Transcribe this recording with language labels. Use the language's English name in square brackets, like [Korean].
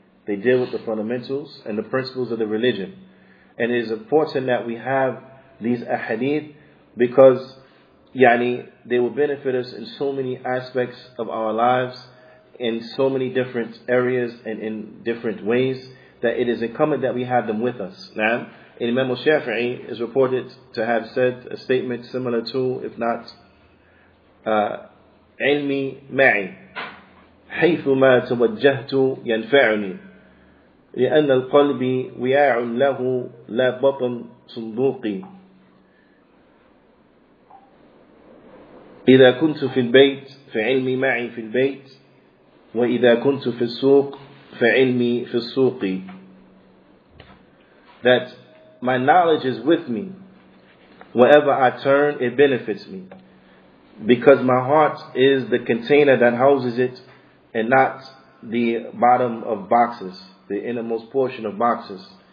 [English] They deal with the fundamentals and the principles of the religion. And it is important that we have these ahadith because, yani, they will benefit us in so many aspects of our lives, in so many different areas and in different ways, that it is incumbent that we have them with us. Now, Imam al-Shafi'i is reported to have said a statement similar to, if not, [Arabic] علمي معي حيثما توجهت ينفعني لأن القلب وياع له لا بطن صندوقي إذا كنت في البيت فعلمي معي في البيت وإذا كنت في السوق فعلمي في السوق. [English] That my knowledge is with me wherever I turn, it benefits me, because my heart is the container that houses it and not the bottom of boxes, the innermost portion of boxes.